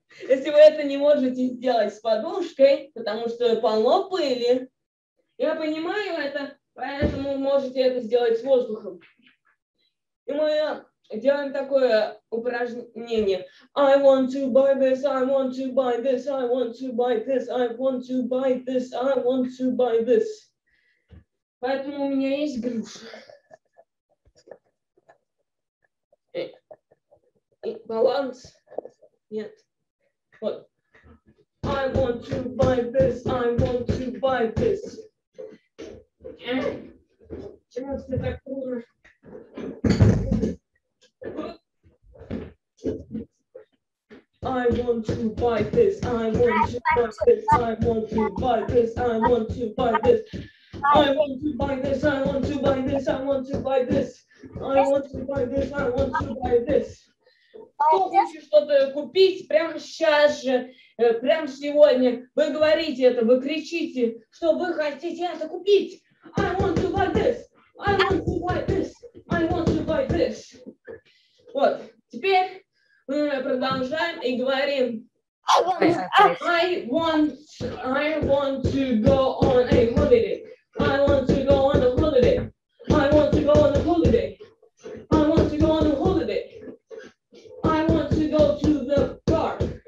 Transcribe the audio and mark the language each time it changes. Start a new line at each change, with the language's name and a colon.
Russian: Если вы это не можете сделать с подушкой, потому что полно пыли, я понимаю это, поэтому можете это сделать с воздухом. И мы делаем такое упражнение.
English: I want to buy this, I want to buy this, I want to buy this, I want to buy this, I want to buy this.
Russian: Поэтому у меня есть груша. И баланс? Нет. Вот.
English: I want to buy this, I want to buy this.
Russian: Чего ты так круто?
English: I want to buy this, I want to buy this, I want to buy this, I want to buy this. I want to buy this, I want to buy this, I want to buy this. I want to buy this, I want to buy this.
Russian: Кто хочет что-то купить прямо сейчас же, прямо сегодня, вы говорите это, вы кричите, что вы хотите это купить.
English: I want to buy this, I want to buy this, I want to buy this.
Russian: Вот, теперь мы продолжаем и говорим.
English: I want to go on a holiday. I want to go on a holiday. I want to go on a holiday. I want to go on a holiday. I want to go to the park.